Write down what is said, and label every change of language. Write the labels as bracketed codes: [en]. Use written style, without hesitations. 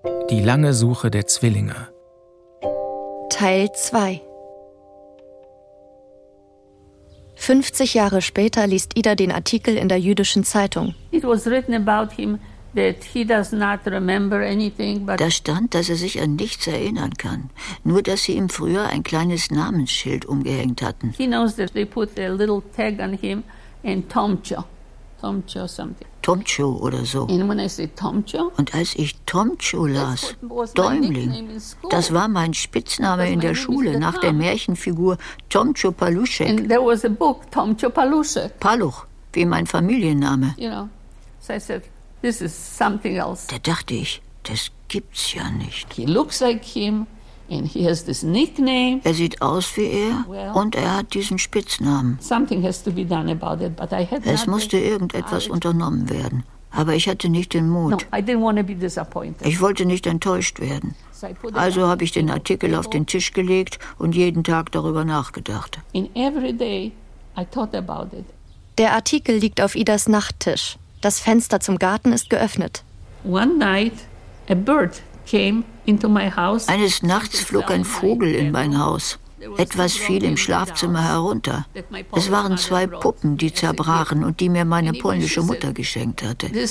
[de] Die lange Suche der Zwillinge. Teil 2. 50 Jahre später liest Ida den Artikel in der jüdischen Zeitung. [en] It was written about him that he does not remember anything, but [de] da stand, dass er sich an nichts erinnern kann, nur dass sie ihm früher ein kleines Namensschild umgehängt hatten. [en] He knows that they put a little tag on him and Tomcho something. [de] Tomcho oder so. [en] And when I say Tomcho, [de] und als ich Tomcho las, Däumling, das war mein Spitzname in der Schule nach der Märchenfigur Tomcho Paluszek. [en] And there was a book, Tomcho Paluszek. [de] Paluch, wie mein Familienname. [en] You know, so I said, this is something else. [de] Da dachte ich, das gibt's ja nicht. [en] He looks like him and he has this nickname. [de] Er sieht aus wie er und er hat diesen Spitznamen. [en] Something has to be done about it, but I had [de] es musste irgendetwas unternommen werden, aber ich hatte nicht den Mut. [en] No, I didn't want to be disappointed. [de] Ich wollte nicht enttäuscht werden. Also habe ich den Artikel auf den Tisch gelegt und jeden Tag darüber nachgedacht. [en] In every day I thought about it. [de] Der Artikel liegt auf Idas Nachttisch. Das Fenster zum Garten ist geöffnet. [en] One night a bird came into my house. [de] Eines Nachts flog ein Vogel in mein Haus. Etwas fiel im Schlafzimmer herunter. Es waren zwei Puppen, die zerbrachen und die mir meine polnische Mutter geschenkt hatte.